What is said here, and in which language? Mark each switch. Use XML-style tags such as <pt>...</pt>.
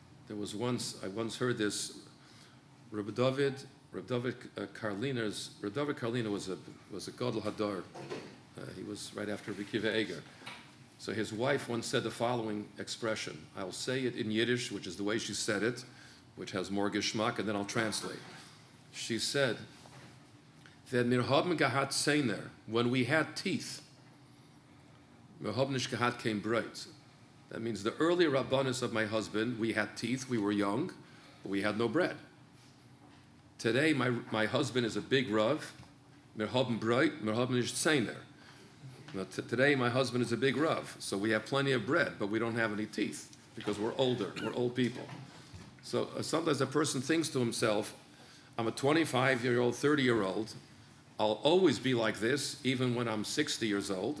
<en>I once heard this, Reb David Karlina was a Gadol Hador. He was right after Reb Akiva Eiger. So his wife once said the following expression. I'll say it in Yiddish, which is the way she said it, which has more geschmack, and then I'll translate.</en> <yi>She said, "Wenn wir haben gehad Zähner,</yi> <en>when we had teeth,</en> <yi>wir haben nicht gehad kein Brot."</yi> <en>That means the early Rabbanus of my husband, we had teeth, we were young, but we had no bread. Today, my husband is a big Rav,</en> <yi>wir haben Brot, wir haben nicht Zähner.</yi> <en>Today, my husband is a big Rav, so we have plenty of bread, but we don't have any teeth because we're older, we're old people. So sometimes a person thinks to himself, I'm a 25-year-old, 30-year-old, I'll always be like this, even when I'm 60 years old.</en>